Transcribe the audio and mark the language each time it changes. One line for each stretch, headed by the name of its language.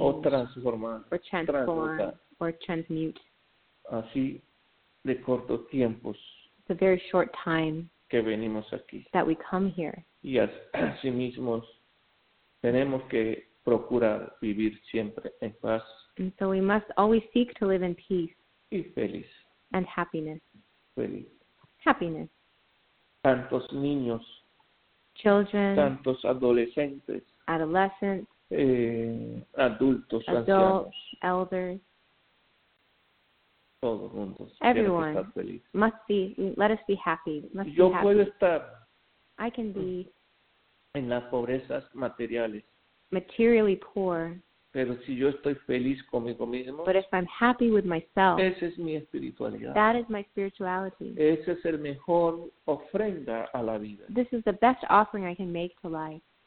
Spanish: O transformar.
English: Or transform.
Spanish: Transmutar.
English: Or transmute.
Spanish: Así de cortos tiempos.
English: It's a very short time.
Spanish: Que venimos aquí.
English: That we come here.
Spanish: Y así mismo tenemos que procurar vivir siempre en paz.
English: And so we must always seek to live in peace.
Spanish: Y feliz.
English: And happiness.
Spanish: Feliz.
English: Happiness.
Spanish: Tantos niños.
English: Children.
Spanish: Tantos adolescentes.
English: Adolescents.
Spanish: Adultos,
English: adults,
Spanish: ancianos.
English: Adults, elders. Everyone must be, let us be happy. Must
Spanish: yo
English: be happy.
Spanish: Puedo estar
English: I can be
Spanish: en las pobrezas materiales,
English: materially poor,
Spanish: pero si yo estoy feliz conmigo mismo,
English: but if I'm happy with myself,
Spanish: esa es mi espiritualidad.
English: That is my spirituality.
Spanish: Esa es el mejor ofrenda a la vida.
English: This is the best offering I can make to life.